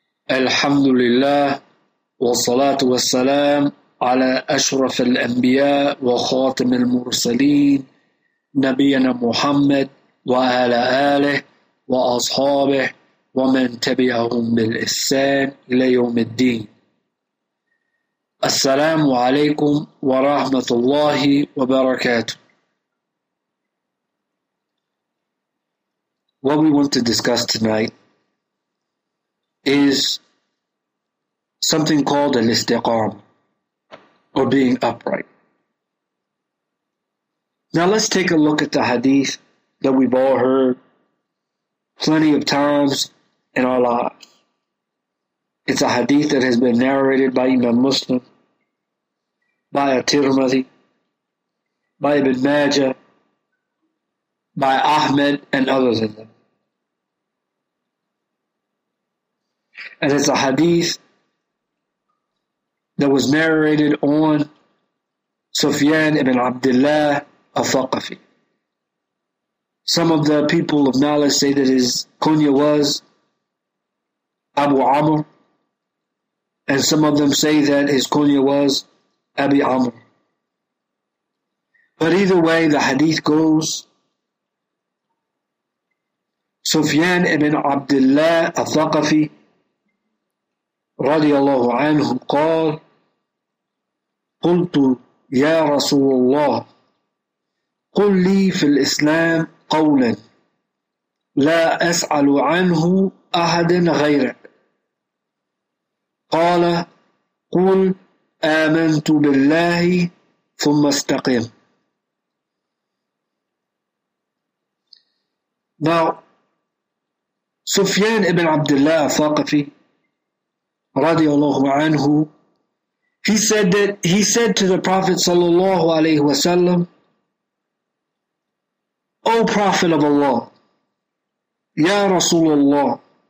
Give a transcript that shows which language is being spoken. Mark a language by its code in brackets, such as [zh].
[ar] الحمد لله والصلاة والسلام على أشرف الأنبياء وخاتم المرسلين نبينا محمد وعلى آله وأصحابه ومن تبعهم بالإحسان إلى يوم الدين. السلام عليكم ورحمة الله وبركاته. [en] What we want to discuss tonight is something called al-istiqam, or being upright. Now let's take a look at the hadith that we've all heard plenty of times in our lives. It's a hadith that has been narrated by Imam Muslim, by At-Tirmidhi, by Ibn Majah, by Ahmed, and others in them. And it's a hadith that was narrated on Sufyan ibn Abdullah al-Thaqafi. Some of the people of knowledge say that his kunya was Abu Amr, and some of them say that his kunya was Abi Amr. But either way, the hadith goes, Sufyan ibn Abdullah al-Thaqafi [ar] رضي الله عنه قال قلت يا رسول الله قل لي في الإسلام قولا لا أسأل عنه أحدا غيرك قال قل آمنت بالله ثم استقم. [en] Now سفيان بن عبد الله الثقفي radiallahu anhu, he said that he said to the Prophet sallallahu alaihi wasallam, O Prophet of Allah, Ya Rasulullah,